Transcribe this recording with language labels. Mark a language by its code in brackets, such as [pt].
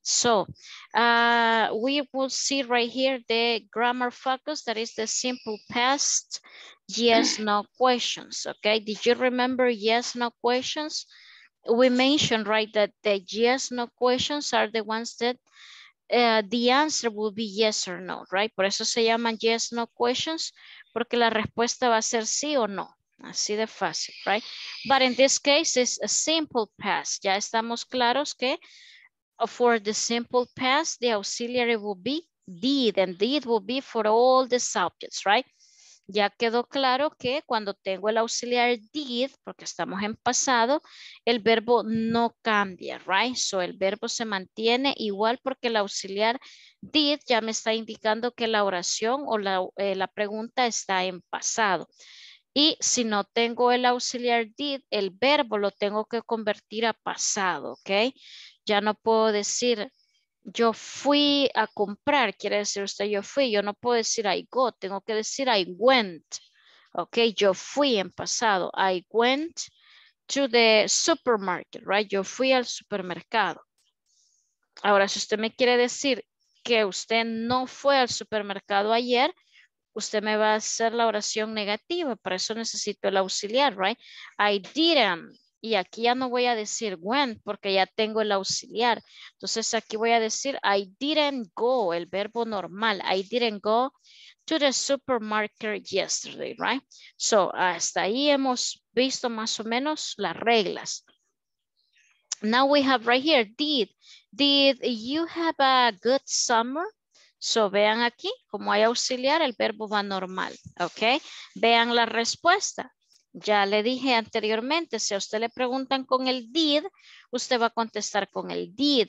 [en] So we will see right here the grammar focus, that is the simple past, yes, no questions, okay? Did you remember yes, no questions? We mentioned, right, that the yes, no questions are the ones that the answer will be yes or no, right? [es] Por eso se llaman yes, no questions, porque la respuesta va a ser sí o no. Así de fácil, right? [en] But in this case, it's a simple past. [es] Ya estamos claros que [en] for the simple past, the auxiliary will be did, and did will be for all the subjects, right? [es] Ya quedó claro que cuando tengo el auxiliar did, porque estamos en pasado, el verbo no cambia, right? So el verbo se mantiene igual porque el auxiliar did ya me está indicando que la oración o la, la pregunta está en pasado. Y si no tengo el auxiliar did, el verbo lo tengo que convertir a pasado, ¿ok? Ya no puedo decir yo fui a comprar, quiere decir usted yo fui. Yo no puedo decir [en] I go, [es] tengo que decir [en] I went, [es] ¿ok? Yo fui en pasado, [en] I went to the supermarket, right? [es] Yo fui al supermercado. Ahora, si usted me quiere decir que usted no fue al supermercado ayer, usted me va a hacer la oración negativa, para eso necesito el auxiliar, right? [en] I didn't, [es] y aquí ya no voy a decir went, porque ya tengo el auxiliar. Entonces aquí voy a decir [en] I didn't go, [es] el verbo normal. [en] I didn't go to the supermarket yesterday, right? [es] So hasta ahí hemos visto más o menos las reglas. [en] Now we have right here, did you have a good summer? [es] So, vean aquí, como hay auxiliar, el verbo va normal, ¿ok? Vean la respuesta. Ya le dije anteriormente, si a usted le preguntan con el did, usted va a contestar con el did.